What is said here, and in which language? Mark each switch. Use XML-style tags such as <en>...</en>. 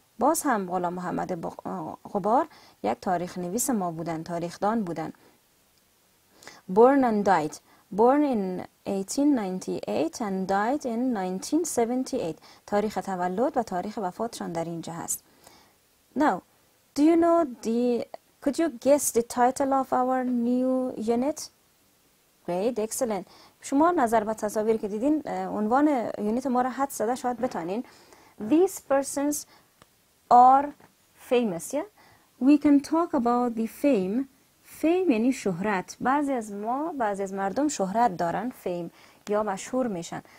<fa>باز هم غلام محمد غبار یک تاریخ نویس ما بودن, تاریخ دان بودن.</fa> <en>Born and died. Born in 1898 and died in 1978.</en> <fa>تاریخ تولد و تاریخ وفاتشان در اینجا هست.</fa> <en>Now, do you know could you guess the title of our new unit? Great, excellent.</en> <fa>شما نظر به تصاویر که دیدین عنوان یونیت ما را حد زده شاید بتانین.</fa> <en>These persons are famous, yeah? We can talk about the fame. Fame</en> <fa>یعنی شهرت. بعضی از ما, بعضی از مردم شهرت دارن, fame, یا مشهور میشن.</fa>